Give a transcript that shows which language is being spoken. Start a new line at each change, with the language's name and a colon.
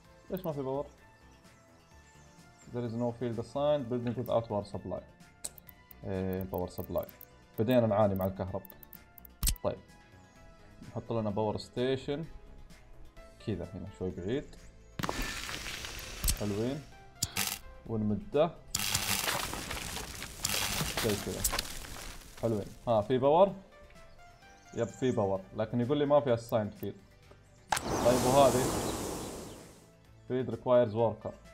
Arabic: ليش ما في باور؟
English: There is no field assigned building without power supply.
Arabic: باور سبلاي. بدينا نعاني مع الكهرب. طيب نحط لنا باور ستيشن كذا هنا شوي بعيد. حلوين. ونمده زي كذا. حلوين. ها في باور. يب في باور لكن يقول لي ما في
English: assigned field.
Arabic: طيب وهذه
English: field requires worker.